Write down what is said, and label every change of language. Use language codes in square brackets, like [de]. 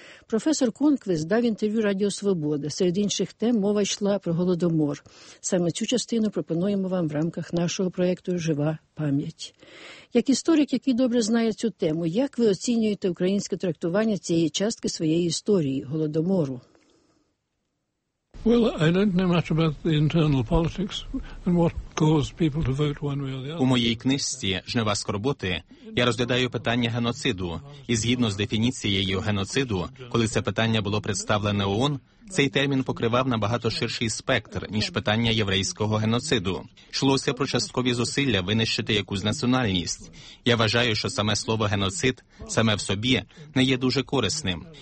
[uk] Професор Конквіст дав інтерв'ю Радіо Свобода. Серед інших тем мова йшла про Голодомор. Саме цю частину пропонуємо вам в рамках нашого проєкту «Жива пам'ять». Як історик, який добре знає цю тему, як ви оцінюєте українське трактування цієї частки своєї історії – Голодомору? [en] Well, I don't know much about the internal politics and what caused people to vote one way or the other. [uk] У моїй книжці «Жнива скорботи» я розглядаю питання геноциду, і згідно з дефініцією геноциду, коли це питання було представлене ООН, цей термін покривав набагато ширший спектр, ніж питання єврейського геноциду. Йшлося про часткові зусилля винищити якусь національність. Я вважаю, що саме слово «геноцид» саме в собі не є дуже корисним.